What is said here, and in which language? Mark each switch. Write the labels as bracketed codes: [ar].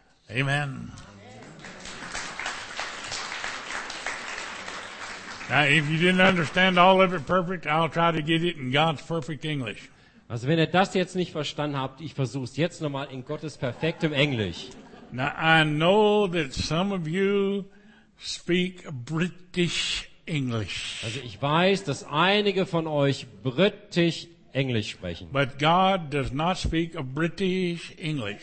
[en] Amen. Now, if you didn't understand all of it perfect, I'll try to get it in God's perfect English. [de] Also, wenn ihr das jetzt nicht verstanden habt, ich versuch's jetzt nochmal in Gottes perfektem Englisch. [en] Now, I know that some of you speak British English. [de] Also, ich weiß, dass einige von euch britisch Englisch sprechen. [en] But God does not speak a British English.